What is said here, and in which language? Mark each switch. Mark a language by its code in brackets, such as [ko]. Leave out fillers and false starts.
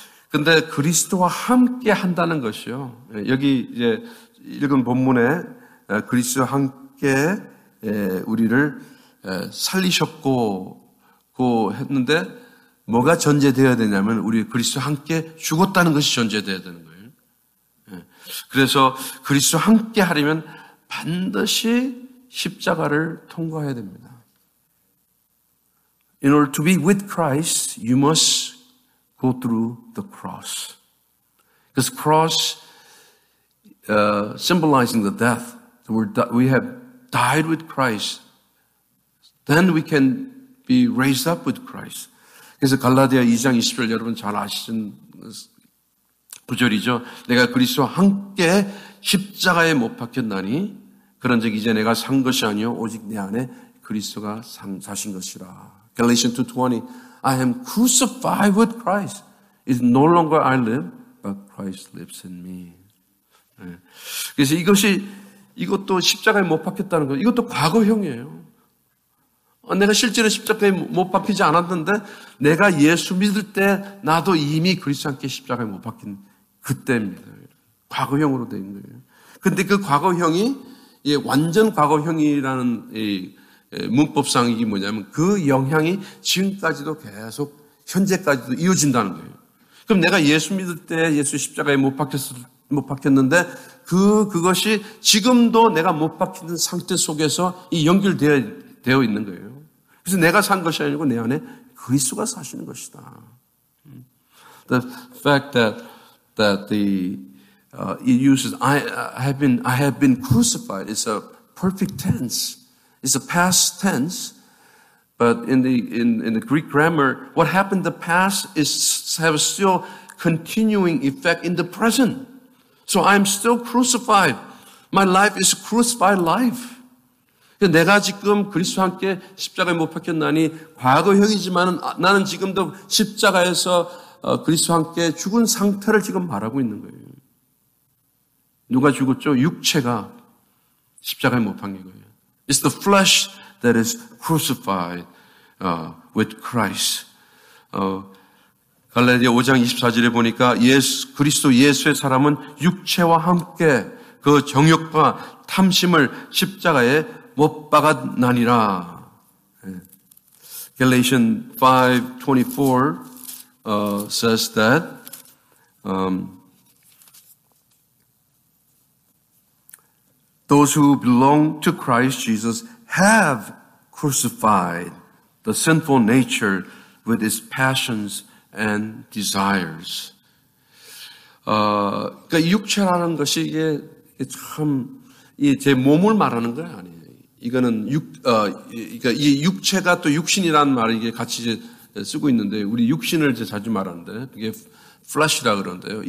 [ko] 근데 그리스도와 함께 한다는 것이요. 여기 이제 읽은 본문에 그리스도와 함께 우리를 살리셨고 했는데 뭐가 전제되어야 되냐면 우리 그리스도와 함께 죽었다는 것이 전제되어야 되는 거예요. 그래서 그리스도와 함께 하려면 반드시 십자가를 통과해야 됩니다. [en] In order to be with Christ, you must go through the cross. Because cross symbolizing the death. We have died with Christ. Then we can be raised up with Christ. [ko] 그래서 갈라디아 2장 20절 여러분 잘 아시는 구절이죠. 내가 그리스도와 함께 십자가에 못 박혔나니 그런즉 이제 내가 산 것이 아니요 오직 내 안에 그리스도가 사신 것이라. [en] Galatians 2:20 I am crucified with Christ. It's no longer I live, but Christ lives in me. [ko] 그래서 이것도 십자가에 못 박혔다는 거. 이것도 과거형이에요. 내가 실제로 십자가에 못 박히지 않았는데 내가 예수 믿을 때 나도 이미 그리스도 함께 십자가에 못 박힌 그때입니다. 과거형으로 된 거예요. 그런데 그 과거형이 완전 과거형이라는 문법상이 뭐냐면 그 영향이 지금까지도 계속 현재까지도 이어진다는 거예요. 그럼 내가 예수 믿을 때 예수 십자가에 못 박혔는데 그것이 지금도 내가 못 박힌 상태 속에서 연결되어 있는 거예요. 그래서 내가 산 것이 아니고 내 안에 그리스도가 사시는 것이다. [en] The fact that it uses I have been crucified. It's a perfect tense. It's a past tense. But in the Greek grammar, what happened in the past have still continuing effect in the present. So I'm still crucified. My life is crucified life. [ko] 내가 지금 그리스도와 함께 십자가에 못 박혔나니 과거형이지만 나는 지금도 십자가에서 그리스도와 함께 죽은 상태를 지금 말하고 있는 거예요. 누가 죽었죠? 육체가 십자가에 못 박힌 거예요. [en] It's the flesh that is crucified with Christ. [ko] 갈라디아 5장 24절에 보니까 그리스도 예수의 사람은 육체와 함께 그 정욕과 탐심을 십자가에 못 박았나니라. [en] Galatians 5:24 says that those who belong to Christ Jesus have crucified the sinful nature with its passions and desires. [ko] 그러니까 육체라는 것이 이게 참 이 제 몸을 말하는 거 아니에요. 이거는 그러니까 이 육체가 또 육신이란 말을 이게 같이 이제 쓰고 있는데 우리 육신을 이제 자주 말하는데 이게 flesh라 그러는데요.